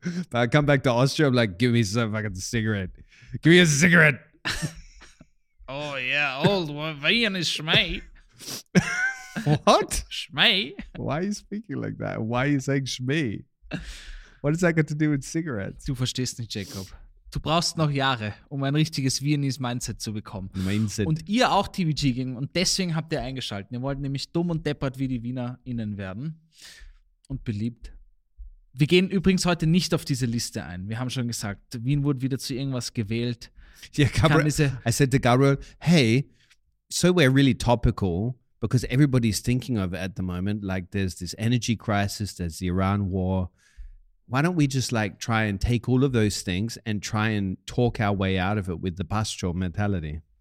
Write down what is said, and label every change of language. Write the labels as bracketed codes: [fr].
[en] But I come back to Austria. I'm like, give me some fucking cigarette. Give me a cigarette. Oh, yeah. Old Wien is Schmei. What? Schmei. Why are you speaking like that? Why are you saying Schmei? What does that got to do with cigarettes? [de] Du verstehst nicht, Jacob. Du brauchst noch Jahre, um ein richtiges Viennese Mindset zu bekommen. Mindset. Und ihr auch TVG ging und deswegen habt ihr eingeschaltet. Ihr wollt nämlich dumm und deppert wie die WienerInnen werden und beliebt. Wir gehen übrigens heute nicht auf diese Liste ein. Wir haben schon gesagt, Wien wurde wieder zu irgendwas gewählt. [en] Yeah, Gabriel, I said to Gabriel, hey, so we're really topical because everybody's thinking of it at the moment. Like there's this energy crisis, there's the Iran war. Why don't we just like try and take all of those things and try and talk our way out of it with the pastoral mentality?